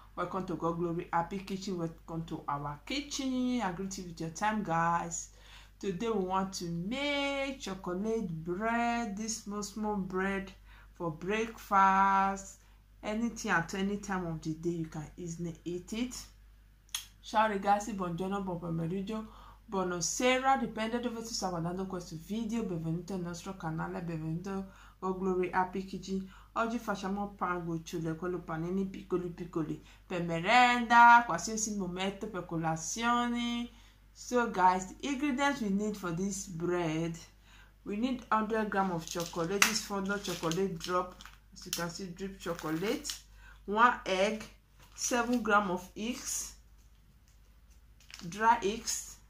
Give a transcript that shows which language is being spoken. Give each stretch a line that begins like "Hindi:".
English: Welcome to God Glory Happy Kitchen. Welcome to our kitchen. I greet you with your time, guys. Today we want to make chocolate bread, this small bread for breakfast. Anything at any time of the day you can easily eat it.
Italian: Ciao ragazzi, buongiorno, buon pomeriggio. Buonasera, dipende dove tu stai guardando questo video. Benvenuto al nostro canale, benvenuto a Glory Happy Kitchen. Oggi facciamo pan gocciole, quello panini piccoli piccoli per merenda, qualsiasi momento, per colazione.
English: So guys, the ingredients we need for this bread, we need 100 grams of chocolate, this fondant chocolate drop, as you can see, drip chocolate, 1 egg, 7 grams of eggs, dry eggs.